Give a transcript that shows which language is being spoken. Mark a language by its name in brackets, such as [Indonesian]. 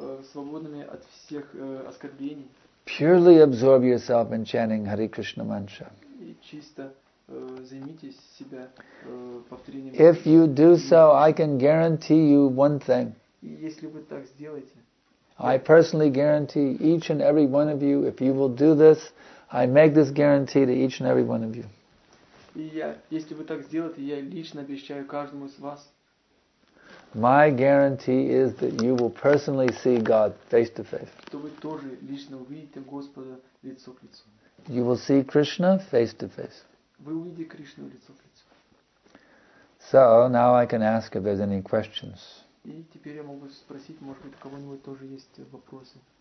[Russian] Свободными от всех оскорблений. [English] Purely absorb yourself in chanting Hare Krishna mantra. [Russian] И чисто займитесь себя повторением. [English] If you do so, I can guarantee you one thing. [Russian] Если вы так сделаете. [English] I personally guarantee each and every one of you, if you will do this, I make this guarantee to each and every one of you. [Russian] Если вы так сделаете, я лично обещаю каждому из вас. [English] My guarantee is that you will personally see God face to face. [Russian] То вы тоже лично увидите Господа лицо к лицу. [English] You will see Krishna face to face. [Russian] Вы увидите Кришну лицо к лицу. [English] So now I can ask if there's any questions. [Russian] И теперь я могу спросить, может быть, у кого-нибудь тоже есть вопросы.